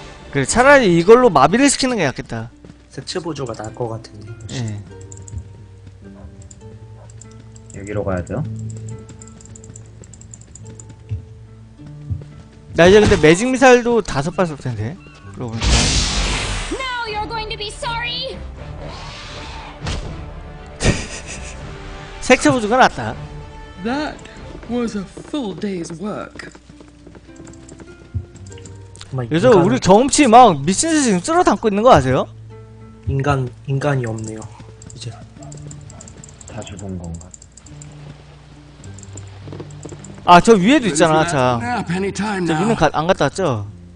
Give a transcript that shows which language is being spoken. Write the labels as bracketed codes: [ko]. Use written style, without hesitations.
[ko] 그래 차라리 이걸로 마비를 시키는 게 낫겠다. 색채 보조가 나을 것 같은데. 예. 여기로 가야죠. 나 이제 근데 매직 미사일도 다섯 발 쏠 텐데. 그러고 보니까. [en] Now you're going to be sorry. [ko] 색채 보조가 낫다. [en] That was a full day's work. [ko] 요즘 인간... 우리 경험치 막 미친 듯이 지금 쓸어 담고 있는 거 아세요? 인간이 없네요. 이제 자주 본 건가? 아 저 위에도 있잖아. 자, 저 위는 안 갔다 왔죠?